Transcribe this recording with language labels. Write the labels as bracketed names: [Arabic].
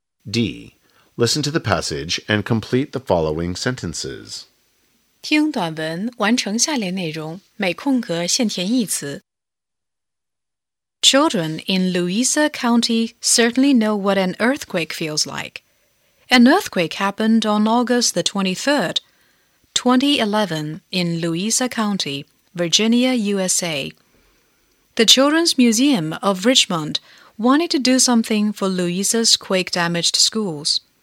[English] D. Listen to the passage and complete the following sentences. [Chinese] 听短文，完成下列内容，每空格先填一词。 [English] Children in Louisa County certainly know what an earthquake feels like. An earthquake happened on August the 23rd, 2011, in Louisa County, Virginia, USA. The Children's Museum of Richmond wanted to do something for Louisa's quake-damaged schools.